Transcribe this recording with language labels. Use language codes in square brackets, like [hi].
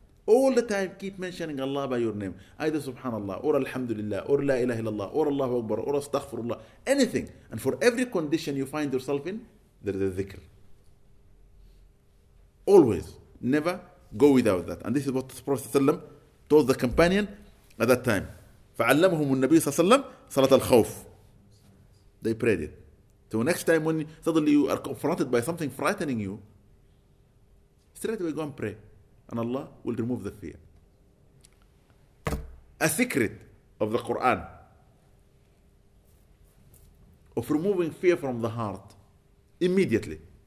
[en] All the time keep mentioning Allah by your name. Either subhanallah, or alhamdulillah, or la ilaha illallah, or Allahu Akbar, or astaghfirullah. Anything. And for every condition you find yourself in, there is a dhikr. Always. Never go without that. And this is what the Prophet ﷺ told the companion at that time. [ar] فعلمهم النبي صلى الله عليه وسلم صلاة الخوف. [en] They prayed it. So next time when suddenly you are confronted by something frightening you, straight away go and pray. And Allah will remove the fear. A secret of the Quran of removing fear from the heart immediately.